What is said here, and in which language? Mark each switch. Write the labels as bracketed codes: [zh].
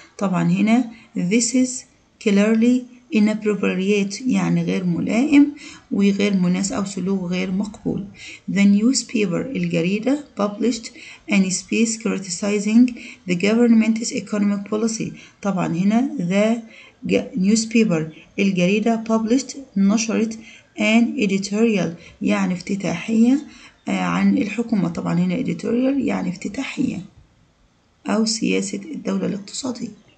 [ar] طبعا هنا [en] this is clearly inappropriate [ar] يعني غير ملائم وغير مناسب أو سلوك غير مقبول. [en] The newspaper [ar] الجريدة [en] published an space criticizing the government's economic policy. [ar] طبعا هنا [en] the newspaper [ar] الجريدة published نشرت [en] an editorial [ar] يعني افتتاحية عن الحكومة. طبعا هنا editorial يعني افتتاحية أو سياسة الدولة الاقتصادية.